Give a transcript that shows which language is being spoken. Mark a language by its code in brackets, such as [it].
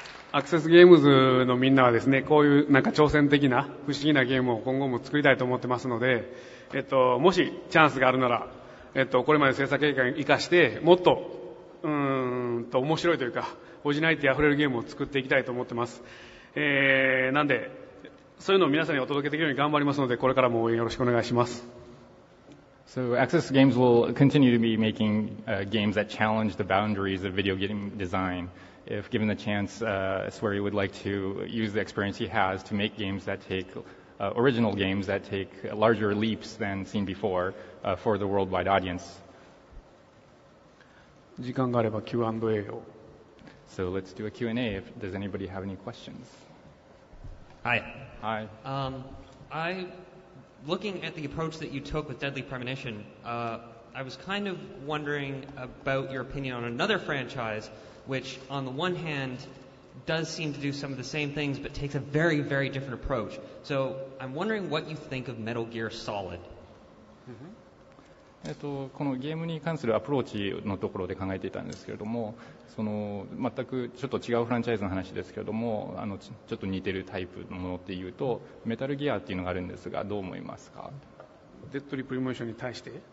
[ja] アクセスゲームズのみんなはですね、こういうなんか挑戦的な不思議なゲームを今後も作りたいと思ってますので、もしチャンスがあるなら、これまで制作経験を生かしてもっと面白いというかオリジナリティあふれるゲームを作っていきたいと思ってます、なんでそういうのを皆さんにお届けできるように頑張りますので、これからも応援よろしくお願いします。 [en] So Access Games will continue to be making、games that challenge the boundaries of video game design. If given the chance、Swery would like to use the experience he has to make games that take、original games that take larger leaps than seen before、for the worldwide audience. [ja] 時間があれば Q&A を。 [en] So let's do a Q&A. If, does anybody have any questions? Hi. Hi. Looking at the approach that you took with Deadly Premonition, I was kind of wondering about your opinion on another franchise, which on the one hand does seem to do some of the same things, but takes a very, very different approach. So I'm wondering what you think of Metal Gear Solid. [ja] このゲームに関するアプローチのところで考えていたんですけれども、その全くちょっと違うフランチャイズの話ですけれども、ちょっと似てるタイプのものっていうとメタルギアっていうのがあるんですが、どう思いますか？デッドリープリモーションに対して